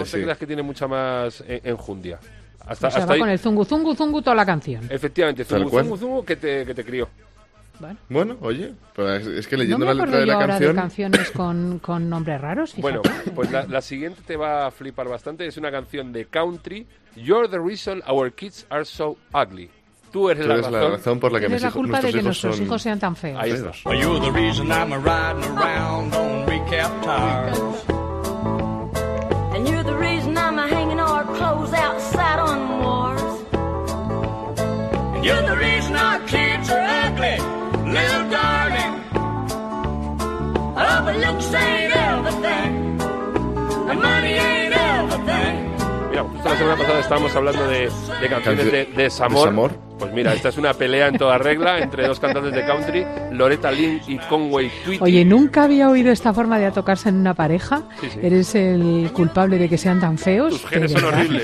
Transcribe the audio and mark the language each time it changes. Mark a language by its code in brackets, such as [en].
[es] no te creas que tiene mucha más enjundia. Hasta va ahí con el zungu, zungu, zungu toda la canción. Efectivamente, zungu, zungu, zungu, que te crió. Bueno, oye, pues es que leyendo no la letra de la canción... No me acuerdo de canciones con nombres raros, fíjate. Bueno, pues la siguiente te va a flipar bastante. Es una canción de country. [en] You're the reason our kids are so ugly. [es] Tú eres la razón por la que nuestros hijos son... Tienes la culpa de que nuestros hijos sean tan feos. Ahí está. [en] You're the reason I'm riding around on recap tires. And you're the reason I'm hanging our clothes outside on wars. And you're the reason our kids are ugly. Little darling, but looks ain't everything, and money ain't everything. [es] Mira, justo la semana pasada estábamos hablando de canciones de desamor. ¿Desamor? Pues mira, esta es una pelea en toda regla entre dos cantantes de country, Loretta Lynn y Conway Twitty. Oye, nunca había oído esta forma de atocarse en una pareja. Sí, sí. Eres el culpable de que sean tan feos. Tus genes son horribles.